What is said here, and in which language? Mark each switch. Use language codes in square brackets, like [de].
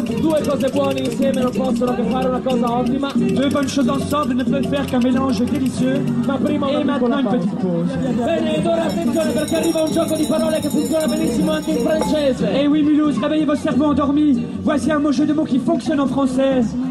[it] Due cose buone insieme non possono che fare una cosa ottima. [fr] Deux bonnes choses ensemble ne peuvent faire qu'un mélange délicieux. [it] Ma prima, [fr] et maintenant une petite pause. [it] Bene, d'ora attenzione perché arriva un gioco di parole che funziona benissimo anche in francese. [fr] Eh oui, Mulhouse, réveillez vos cerveaux endormis. Voici un jeu de mots qui fonctionne en français.